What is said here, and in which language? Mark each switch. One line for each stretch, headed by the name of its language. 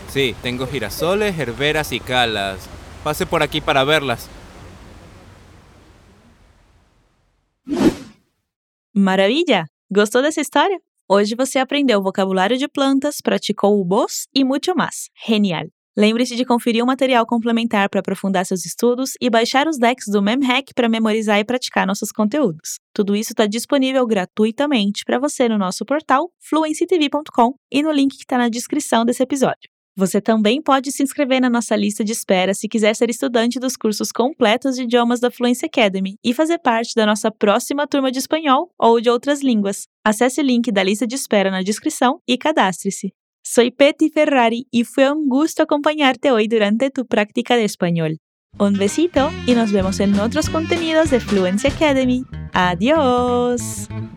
Spanish: Sí, tengo girasoles, herberas y calas. Pase por aquí para verlas. ¡Maravilla! ¿Gostó de esa historia? Hoy você aprendeu vocabulario de plantas, practicó voz y mucho más. ¡Genial!
Portuguese: Lembre-se de conferir o material complementar para aprofundar seus estudos e baixar os decks do MemHack para memorizar e praticar nossos conteúdos. Tudo isso está disponível gratuitamente para você no nosso portal fluencytv.com e no link que está na descrição desse episódio. Você também pode se inscrever na nossa lista de espera se quiser ser estudante dos cursos completos de idiomas da Fluency Academy e fazer parte da nossa próxima turma de espanhol ou de outras línguas. Acesse o link da lista de espera na descrição e cadastre-se.
Spanish: Soy Peti Ferrari y fue un gusto acompañarte hoy durante tu práctica de español. Un besito y nos vemos en otros contenidos de Fluency Academy. ¡Adiós!